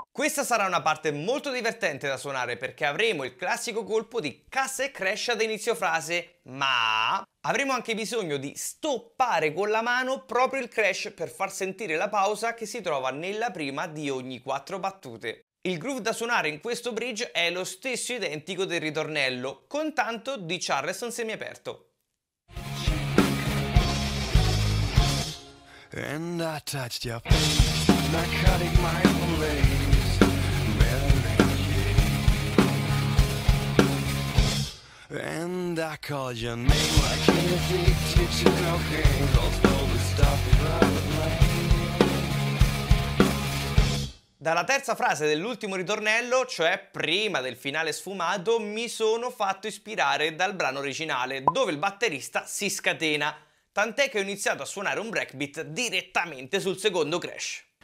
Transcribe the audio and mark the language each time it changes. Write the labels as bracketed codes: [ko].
[it] Questa sarà una parte molto divertente da suonare perché avremo il classico colpo di cassa e crash ad inizio frase, ma avremo anche bisogno di stoppare con la mano proprio il crash per far sentire la pausa che si trova nella prima di ogni 4 battute. Il groove da suonare in questo bridge è lo stesso identico del ritornello, con tanto di Charleston semiaperto. [en] And I touched your face, narcotic mindful lace, melody. And I called your name like an addicted to cocaine, cause all the stuff is out of my head. [it] Dalla terza frase dell'ultimo ritornello, cioè prima del finale sfumato, mi sono fatto ispirare dal brano originale, dove il batterista si scatena. Tant'è che ho iniziato a suonare un breakbeat direttamente sul secondo crash.